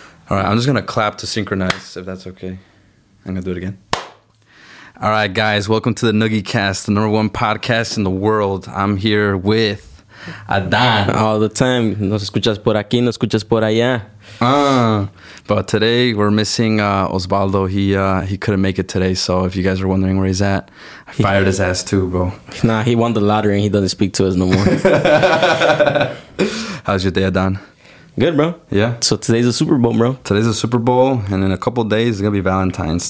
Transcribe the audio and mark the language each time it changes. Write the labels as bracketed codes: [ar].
[en] All right, I'm just going to clap to synchronize, if that's okay. I'm going to do it again. All right, guys, welcome to the Nugeycast, the number one podcast in the world. I'm here with Adan. All the time. [es] Nos escuchas por aquí, nos escuchas por allá. [en] But today, we're missing Osvaldo. He couldn't make it today, so if you guys are wondering where he's at, I fired his ass too, bro. Nah, he won the lottery and he doesn't speak to us no more. How's your day, Adan? Good, bro. Yeah. So today's a Super Bowl, bro. Today's a Super Bowl, and in a couple of days, it's going to be Valentine's.